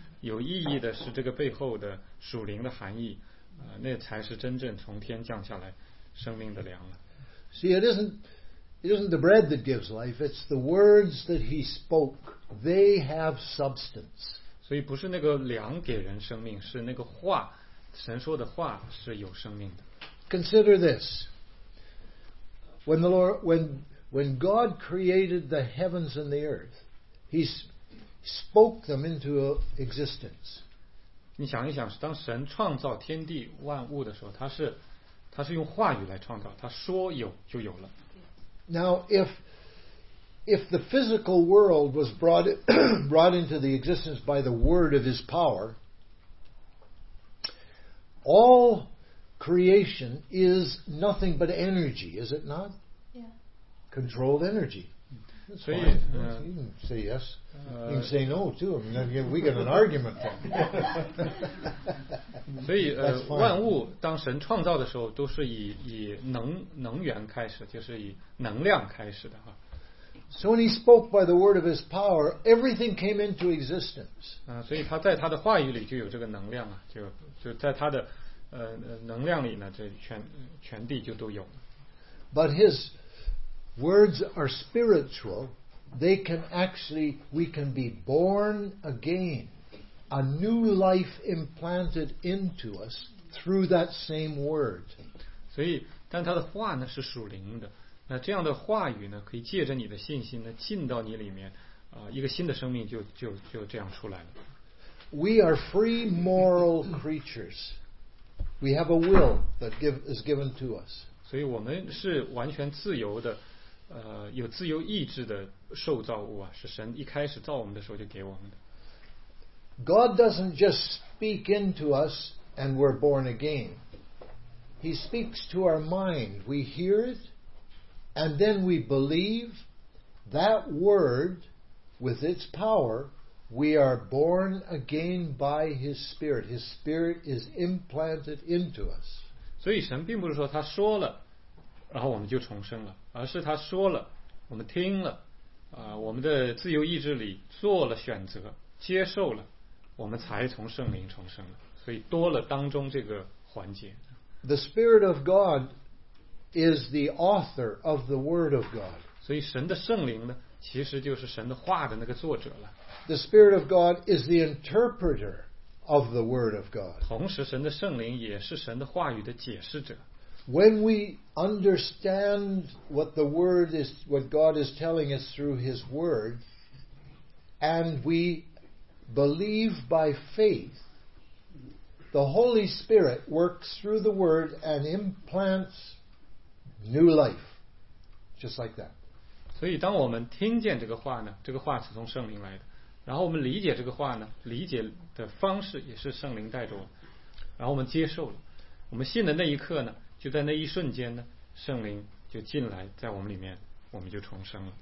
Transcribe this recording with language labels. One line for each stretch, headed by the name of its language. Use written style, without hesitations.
Chinese: 有意义的是这个背后的属灵的含义那才是真正从天降下来生命的粮了。
English: See, it isn't the bread that gives life, it's the words that he spoke. They have substance.
Chinese: 所以不是那个粮给人生命，是那个话，神说的话是有生命的。
English: Consider this. When God created the heavens and the earth, he spoke them into existence.
Chinese: 你想一想，当神创造天地万物的时候，他是用话语来创造，他说有就有了。
English: Now, if the physical world was brought into the existence by the word of his power, All creation is nothing but energy, is it not? Yeah. Controlled energy. So you can say yes. You can say no too. I mean, we get an argument from.
Chinese: 所以万物当神创造的时候都是以能源开始，就是以能量开始的哈。
English: So when he spoke by the word of his power, everything came into existence.
Chinese: 所以他在他的话语里就有这个能量啊，就在他的能量里呢，这全地就都有。
English: But his words are spiritual. They can actually, we can be born again, a new life implanted into us through that same word.
Chinese: 所以，但他的话呢是属灵的。那这样的话语呢，可以借着你的信心呢，进到你里面，一个新的生命就这样出来了。
English: We are free moral creatures. We have a will that is given to us.
Chinese: 所以我们是完全自由的，有自由意志的受造物啊，是神一开始造我们的时候就给我们的。
English: God doesn't just speak into us and we're born again. He speaks to our mind. We hear it. And then we believe that word with its power, we are born again by His Spirit. His Spirit is implanted into us.
Chinese: 所以神并不是说他说了，然后我们就重生了，而是他说了，我们听了，我们的自由意志里做了选择，接受了，我们才从圣灵重生了。所以多了当中这个环节。
English: The Spirit of God. Is the author of the Word of God.
Chinese: 所以神的圣灵呢，其实就是神的话的那个作者了。
English: The Spirit of God is the interpreter of the Word of God.
Chinese: 同时，神的圣灵也是神的话语的解释者。
English: When we understand what the Word is, what God is telling us through His Word, and we believe by faith, the Holy Spirit works through the Word and implants. New life, just like that.
Chinese: 所以当我们听见这个话呢，这个话是从圣灵来的，然后我们理解这个话呢，理解的方式也是圣灵带着我们，然后我们接受了，我们信的那一刻呢，就在那一瞬间呢，圣灵就进来在我们里面，我们就重生了。